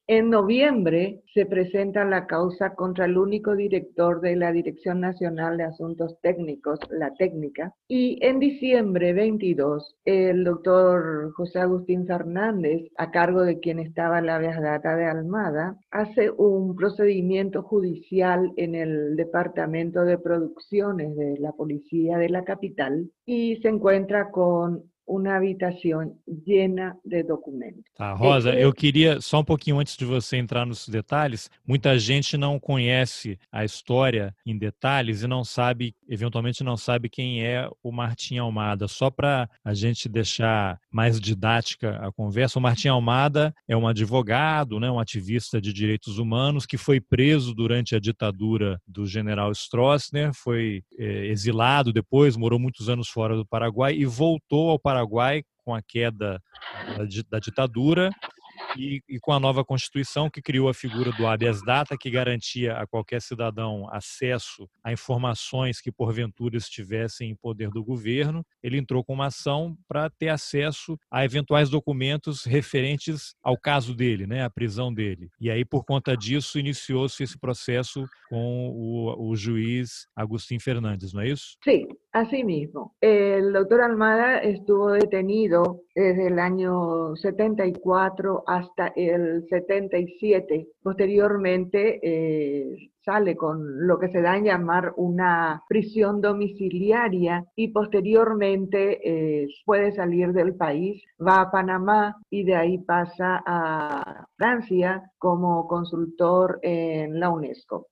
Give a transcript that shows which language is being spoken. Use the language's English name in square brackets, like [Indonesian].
[Spanish] En noviembre se presenta la causa contra el único director de la Dirección Nacional de Asuntos Técnicos, la Técnica, y en diciembre 22 el doctor José Agustín Fernández, a cargo de quien estaba la habeas data de Almada, hace un procedimiento judicial en el Departamento de Producciones de la Policía de la Capital y se encuentra con una habitación llena de documentos. [Portuguese] Tá, Rosa, eu queria, só um pouquinho antes de você entrar nos detalhes, muita gente não conhece a história em detalhes e não sabe, eventualmente não sabe quem é o Martim Almada. Só para a gente deixar mais didática a conversa, o Martim Almada é um advogado, né, um ativista de direitos humanos que foi preso durante a ditadura do general Stroessner, foi exilado depois, morou muitos anos fora do Paraguai e voltou ao Paraguai com a queda da ditadura e com a nova Constituição, que criou a figura do habeas data, que garantia a qualquer cidadão acesso a informações que porventura estivessem em poder do governo. Ele entrou com uma ação para ter acesso a eventuais documentos referentes ao caso dele, né, à prisão dele. E aí, por conta disso, iniciou-se esse processo com o juiz Agustín Fernández, não é isso? Sim. [Spanish] Asimismo, el doctor Almada estuvo detenido desde el año 74 hasta el 77. Posteriormente sale con lo que se da en llamar una prisión domiciliaria y posteriormente puede salir del país, va a Panamá y de ahí pasa a Francia como consultor en la UNESCO.